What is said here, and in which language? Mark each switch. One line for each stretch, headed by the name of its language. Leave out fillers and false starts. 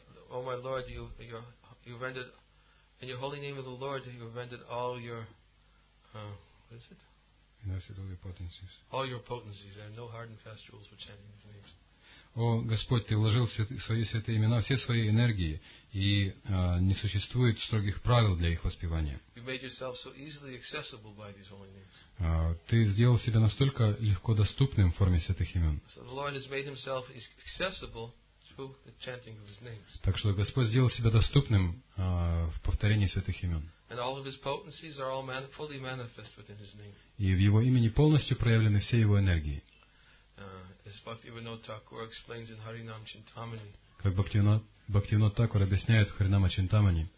Russian: О, мой Лорд,
English: you rendered in your holy name of the Lord, you rendered all your what is it? All your potencies. All your potencies. There are no hard and fast rules for chanting his names.
Russian: о, Господь, Ты вложил в свои святые имена все свои энергии, и не существует строгих правил для их воспевания.
English: You made yourself so easily accessible by these holy names.
Russian: Ты сделал себя настолько легко доступным в форме святых имен.
English: So the Lord has made himself accessible through the chanting of his names.
Russian: Так что Господь сделал себя доступным в повторении святых имен.
English: And all of his potencies are all fully manifest within his name.
Russian: И в его имени полностью проявлены все его энергии.
English: As Bhaktivinoda Thakur explains in Harinam Chintamani.
Russian: Как Бхактивинода Такур объясняет в Харинама Чинтамани,